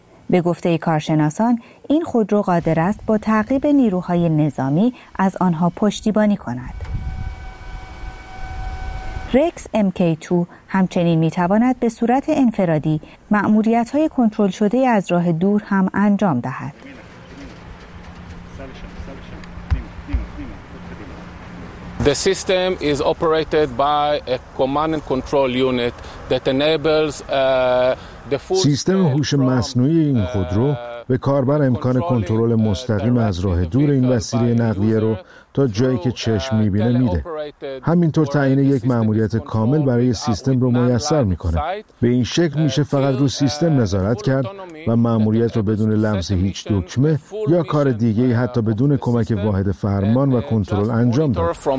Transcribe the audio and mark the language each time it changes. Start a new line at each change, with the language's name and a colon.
Persian: به گفته کارشناسان این خودرو قادر است با تعقیب نیروهای نظامی از آنها پشتیبانی کند. رکس MK2 همچنین می تواند به صورت انفرادی مأموریت‌های کنترل شده از راه دور هم انجام دهد.
English: The system is operated by a command and control unit that enables the full
Persian: سیستم هوش مصنوعی این خودرو به کاربر امکان کنترل مستقیم از راه دور این وسیله نقلیه رو تا جایی که چشم می‌بینه میده. همینطور تعیین یک مأموریت کامل برای سیستم رو میسر می‌کنه. به این شکل میشه فقط رو سیستم نظارت کرد و مأموریت رو بدون لمس هیچ دکمه یا کار دیگه‌ای حتی بدون کمک واحد فرمان و کنترل انجام داد.